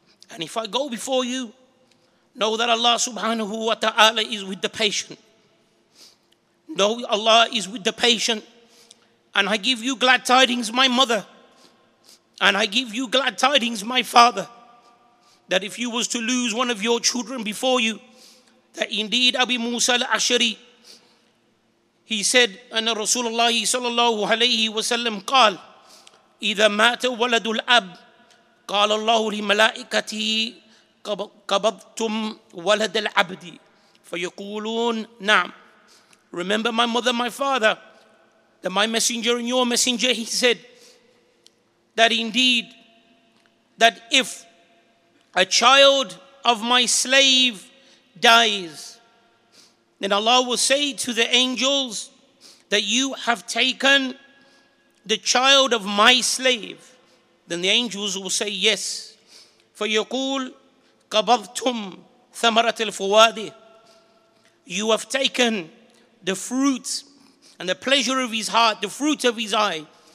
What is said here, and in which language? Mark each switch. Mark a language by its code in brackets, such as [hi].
[en] And if I go before you, know that Allah subhanahu wa ta'ala is with the patient. Know Allah is with the patient. And I give you glad tidings, my mother. And I give you glad tidings, my father. That if you was to lose one of your children before you, that indeed Abi Musa al-Ashari, he said, [ar] أن رسول الله صلى الله عليه وسلم قال إذا مات ولد الأب قال الله لملائكته قبضتم ولد العبد فيقولون نعم. [en] Remember my mother, my father, that my messenger and your messenger, he said that indeed that if a child of my slave dies, then Allah will say to the angels that you have taken the child of my slave. Then the angels will say yes. [ar] For يقول قبضتم ثمرة الفواد. [en] You have taken the fruit and the pleasure of his heart, the fruit of his eye.